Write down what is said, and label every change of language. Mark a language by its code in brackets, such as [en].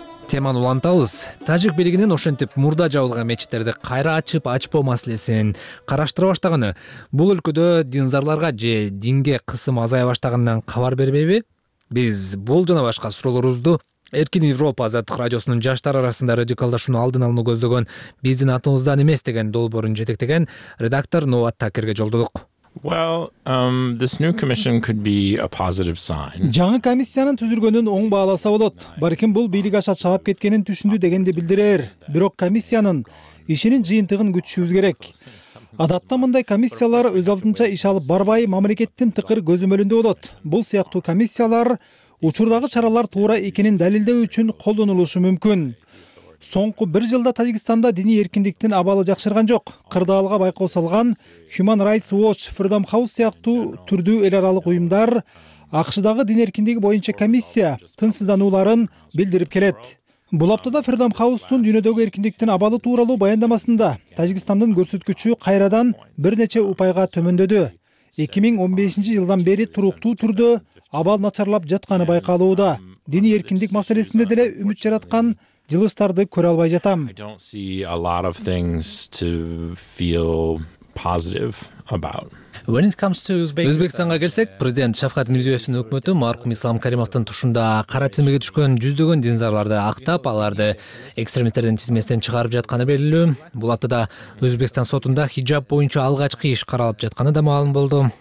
[ky] Теманы улантабыз. Тажик бийлигинин ошентип мурда жабылган мечиттерди кайра ачып ачпоо маселесин караштыра баштаганы бул өлкөдө динзарларга же динге кысым азая баштагандан кабар бербейби? Биз бул жана башка суроолорубузду Эркин Европа азаттык радиосунун жаштар арасында радикалдашууну алдын алууну көздөгөн биздин атыбыздан эмес деген долбоорун жетектеген редактор Ноот Такирге жолдодук. [en] This new commission could be a positive sign. [ky] Жаңы комиссиянын түзүлгөнүн оң бааласа болот. Балким бул бийлик аша чалып кеткенин түшүндү дегенди билдирер. Бирок комиссиянын ишинин жыйынтыгын күтүшүбүз керек. Адатта мындай комиссиялар өз алдынча иш алып барбай, мамлекеттин тыкыр көзөмөлүндө болот. Бул сыяктуу комиссиялар учурдагы чаралар туура экенин далилдөө үчүн колдонулушу мүмкүн. Соңку бир жылда Тажикстанда диний эркиндиктин абалы жакшырган жок. Кырдаалга байкоо салган Human Rights Watch, Freedom House сыяктуу түрдүү эл аралык уюмдар АКШдагы дин эркиндиги боюнча комиссия тынчсыздануларын билдирип келет. Бул аптада Freedom House'тун дүйнөдөгү эркиндиктин абалы тууралуу баяндамасында Тажикстандын көрсөткүчү кайрадан бир нече упайга төмөндөдү. 2015 жылдан бери туруктуу түрдө абал начарлап жатканы байкалууда. Диний эркиндик маселесинде деле үмүт жараткан жылыстарды көрө албай жатам. [en] I don't see a lot of things to feel positive about. When it comes to [ky] Өзбекстанга келсек, президент Шавкат Мирзиёевдин өкмөтү маркум Ислам Каримовдун тушунда кара тизмеге түшкөн жүздөгөн динзарларды актап, аларды экстремисттердин тизмесинен чыгарып жатканы белгилүү. Бул аптада Өзбекстан сотунда хиджаб боюнча алгачкы иш каралып жатканы да маалым болду.